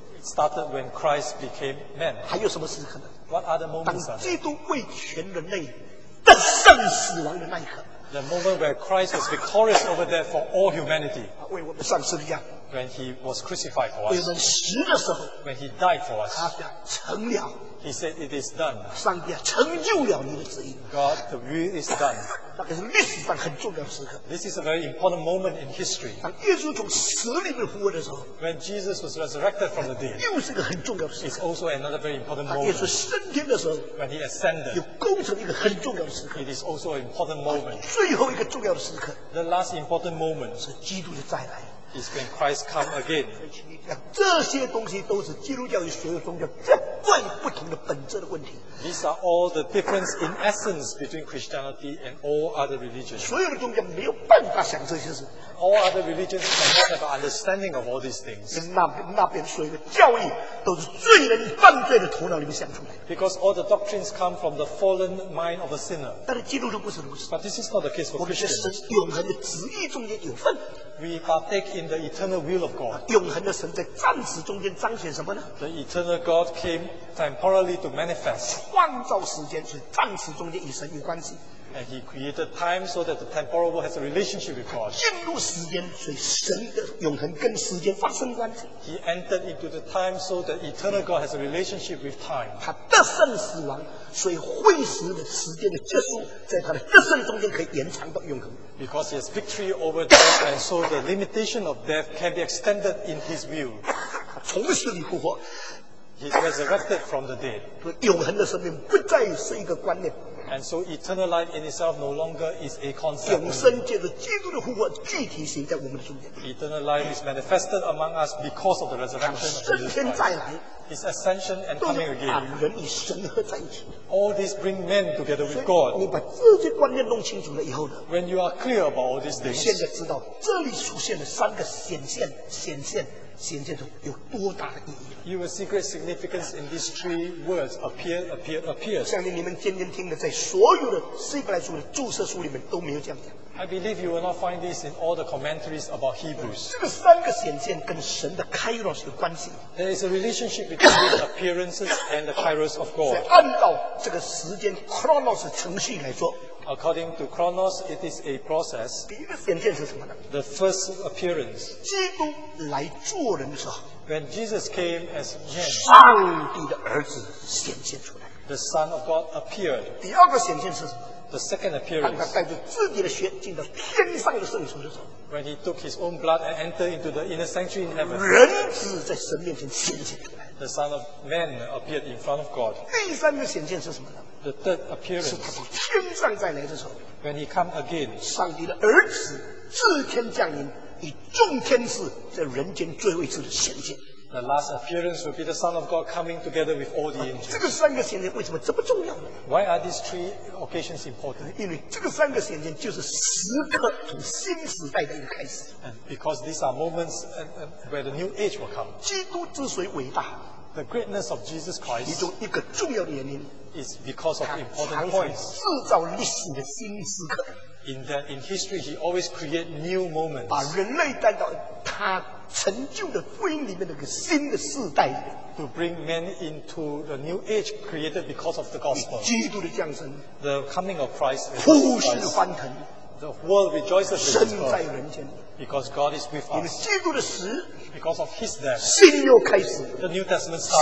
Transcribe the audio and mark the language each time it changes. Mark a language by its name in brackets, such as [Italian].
[English] It started when Christ became man [Chinese] 还有什么时刻呢 [English] What other moments are there [Chinese] 当基督为全人类的胜死亡的那一刻 [English] The moment where Christ was victorious over there for all humanity [Chinese] 为我们上十字架 [English] When he was crucified for us [Chinese] 为我们死的时候 [English] When he died for us [Chinese] 他讲成了 [English] He said it is done. [Chinese] 上帝啊，成就了你的旨意。 [English] God, the will is done. [Chinese] 那个是历史上很重要的时刻。 [English] This is a very important moment in history. [Chinese] 当耶稣从死里面复活的时候 [English] ，When Jesus was resurrected from the dead， [Chinese] 又是个很重要的时刻。 [English] It's also another very important moment. [Chinese] 耶稣升天的时候 [English] ，When he ascended， [Chinese] 又构成一个很重要的时刻。 [English] It is also an important moment. [Chinese] 最后一个重要的时刻 [English] ，The last important moment [Chinese] 是基督的再来。 [English] Is when Christ come again. [Chinese] 这些东西都是基督教与所有宗教绝对不同的本质的问题。 [English] These are all the difference in essence between Christianity and all other religions. [Chinese] 所有的宗教没有办法想这些事。 [English] All other religions cannot have an understanding of all these things. [Chinese] 那边所有的教义都是罪人犯罪的头脑里面想出来。 [English] Because all the doctrines come from the fallen mind of a sinner. [Chinese] 但是基督徒不是如此。 [English] But this is not the case for Christians. [Chinese] 我们是永恒的旨意中间有份。 [English] We partake in the eternal will of God. [Chinese] 永恒的神在暂时中间彰显什么呢？ [English] The eternal God came temporarily to manifest. [Chinese] 创造时间是暂时中间与神有关系。 [English] And he created time so that the temporal world has a relationship with God. [Chinese] 进入时间，所以神的永恒跟时间发生关系。 [English] He entered into the time so that eternal God has a relationship with time. [Chinese] 他得胜死亡，所以会时的时间的结束，在他的得胜中间可以延长到永恒。 [English] Because he has victory over death, and so the limitation of death can be extended in his view. [Chinese] 他从死里复活。 [English] He resurrected from the dead. [Chinese] 所以永恒的生命不再是一个观念。 [English] And so eternal life in itself no longer is a concept. [Chinese] 永生借着基督的复活具体显在我们的中间。 [English] Eternal life is manifested among us because of the resurrection. [Chinese] 升天再来。 [English] His ascension and coming again. [Chinese] 都是把人与神合在一起。 [English] All these bring men together with God. [Chinese] 你把这些观念弄清楚了以后呢？ [English] When you are clear about all these things. [Chinese] 现在知道这里出现了三个显现的有多大的意义。 [English] You will see great significance in these three words, appear, appear, appear. [Chinese] 相信你们天天听的，在所有的希伯来书的注释书里面都没有这样讲。 [English] I believe you will not find this in all the commentaries about Hebrews. [Chinese] 这个三个显现跟神的 Kairos 有关系。 [English] There is a relationship between the appearances and the Kairos of God. [Chinese] 按照这个时间 Chronos 程序来说。 [English] According to Chronos, it is a process. [Chinese] 第一个显现是什么呢？ [English] The first appearance. [Chinese] 基督来做人的时候。 [English] When Jesus came as man, [Chinese] 上帝的儿子显现出来。 [English] The Son of God appeared. [Chinese] 第二个显现是什么？ [English] The second appearance. [Chinese] 他带着自己的血进到天上的圣所的时候。 [English] When he took his own blood and entered into the inner sanctuary in heaven. [Chinese] 人子在神面前显现出来。 [English] The Son of Man appeared in front of God. [Chinese] 第三个显现是什么呢？ [English] The third appearance. [Chinese] 是他从天上再来的时候。 [English] When he come again. [Chinese] 上帝的儿子自天降临。以众天使在人间最后一次的显现。 [English] The last appearance will be the Son of God coming together with all the angels. [Chinese] 这个三个显现为什么这么重要呢？ [English] Why are these three occasions important? [Chinese] 因为这个三个显现就是时刻从新时代的一个开始。 [English] And because these are moments where the new age will come. [Chinese] 基督之所以伟大。 [English] The greatness of Jesus Christ. [Chinese] 其中一个重要的原因。 [English] Is because of important points. [Chinese] 他创造历史的新时刻。 [English] In that, in history, he always create new moments. [Chinese] 把人类带到他成就的福音里面那个新的世代。 [English] To bring men into the new age created because of the gospel. [Chinese] 基督的降生。 [English] The coming of Christ. [Chinese] 呼吸欢腾。 [English] The world rejoices with [Chinese] Christ. 身在人间。 [English] Because God is with us. [Chinese] 因为基督的死。 [English] Because of His death. [Chinese] 新又开始。 [English] The New Testament started.